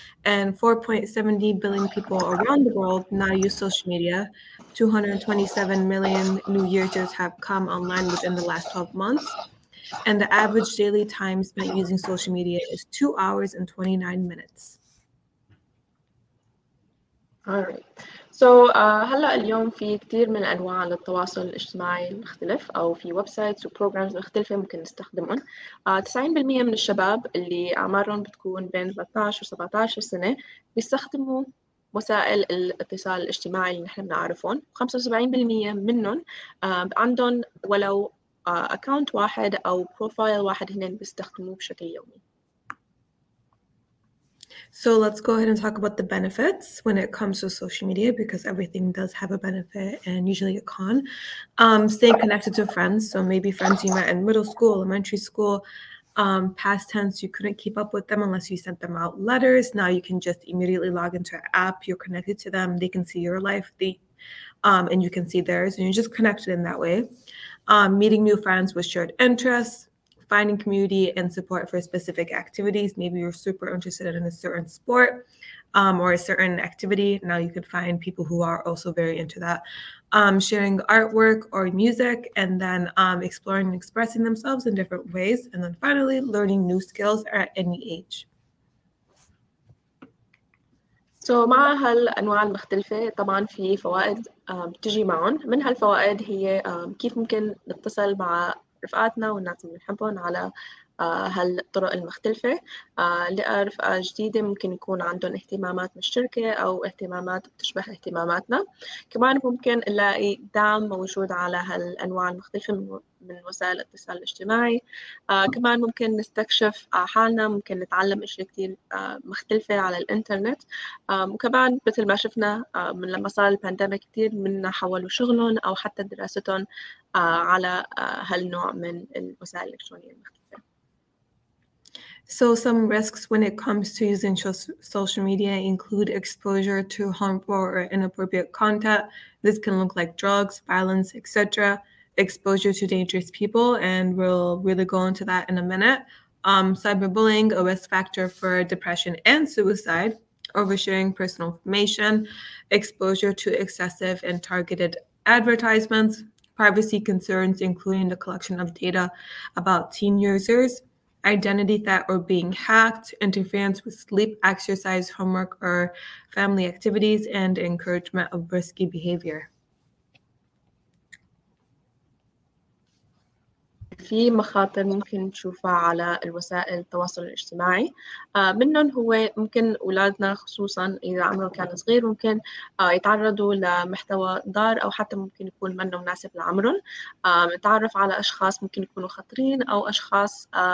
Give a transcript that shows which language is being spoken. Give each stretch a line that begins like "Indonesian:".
English: And 4.70 billion people around the world now use social media. 227 million new users have come online within the last 12 months. And the average daily time spent using social media is 2 hours and 29 minutes. All right.
Arabic: So هلا اليوم في كتير من أنواع للتواصل الاجتماعي المختلف أو في websites و programs مختلفة ممكن نستخدمهم. 90% من الشباب اللي أعمارهم بتكون بين 13 و 17 سنة بيستخدموا وسائل الاتصال الاجتماعي اللي نحن بنعرفهم. 75% منهم عندهم ولو account واحد أو profile واحد هنا بيستخدموه بشكل يومي.
English: So let's go ahead and talk about the benefits when it comes to social media, because everything does have a benefit and usually a con. Staying connected to friends. So maybe friends you met in middle school, elementary school, past tense, you couldn't keep up with them unless you sent them out letters. Now you can just immediately log into an app. You're connected to them. They can see your life, and you can see theirs. And you're just connected in that way. Meeting new friends with shared interests. Finding community and support for specific activities. Maybe you're super interested in a certain sport or a certain activity. Now you could find people who are also very into that. Sharing artwork or music, and then exploring and expressing themselves in different ways. And then finally, learning new skills at any age.
Arabic: So مع هالأنواع المختلفة طبعاً في فوائد بتجي معهم. من هالفوائد هي كيف ممكن نتصل مع رفقاتنا والناس اللي بنحبهم على هالطرق المختلفة. لقى رفقة جديدة ممكن يكون عندهم اهتمامات مشتركة أو اهتمامات بتشبه اهتماماتنا. كمان ممكن نلاقي دعم موجود على هالأنواع المختلفة من وسائل الاتصال الاجتماعي. كمان ممكن نستكشف حالنا، ممكن نتعلم أشياء كتير مختلفة على الإنترنت. وكمان مثل ما شفنا من لما صار البانديميك كتير منا حولوا شغلهم أو حتى دراستهم على هالنوع من الوسائل الإلكترونية المختلفة.
English: So some risks when it comes to using social media include exposure to harmful or inappropriate content. This can look like drugs, violence, etc., exposure to dangerous people, and we'll really go into that in a minute. Cyberbullying, a risk factor for depression and suicide, oversharing personal information, exposure to excessive and targeted advertisements, privacy concerns, including the collection of data about teen users, identity theft or being hacked, interference with sleep, exercise, homework, or family activities, and encouragement of risky behavior.
Arabic: في مخاطر ممكن نشوفها على الوسائل التواصل الاجتماعي منهم هو ممكن أولادنا خصوصا إذا عمره كان صغير ممكن يتعرضوا لمحتوى ضار أو حتى ممكن يكون منه مناسب لعمرهم يتعرف على أشخاص ممكن يكونوا خطرين أو أشخاص